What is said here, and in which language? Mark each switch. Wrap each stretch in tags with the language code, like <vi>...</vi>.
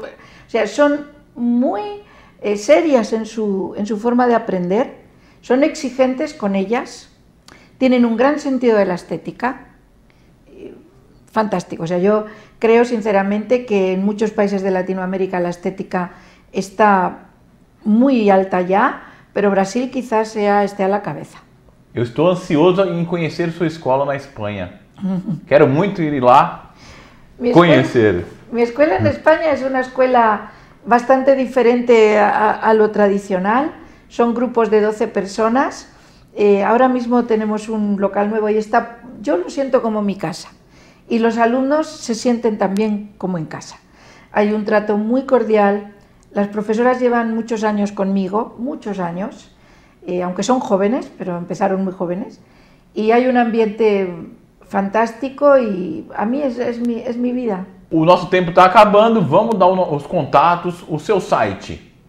<es>O sea, son muy serias en su forma de aprender, son exigentes con ellas, tienen un gran sentido de la estética, fantástico. O sea, yo creo sinceramente que en muchos países de Latinoamérica la estética está muy alta ya, pero Brasil quizás esté a la cabeza.</es> <pt>Eu estou ansioso em conhecer sua escola na Espanha. Quero muito ir lá conhecer. Minha escola na Espanha é uma escola bastante diferente</pt> <es>a lo tradicional.</es> <pt>São grupos de 12 pessoas. Agora mesmo temos um local novo e está. Eu lo sinto como minha casa. E os alunos se sentem também como em casa. Há um trato muito cordial. As professoras</pt> <es>llevan</es> <pt>muitos anos comigo, muitos anos.</pt> <es>Aunque son jóvenes, pero empezaron muy jóvenes, y hay un ambiente fantástico y a mí es mi vida.</es> <pt>O nosso tempo está acabando, vamos dar os contatos, o seu site.</pt>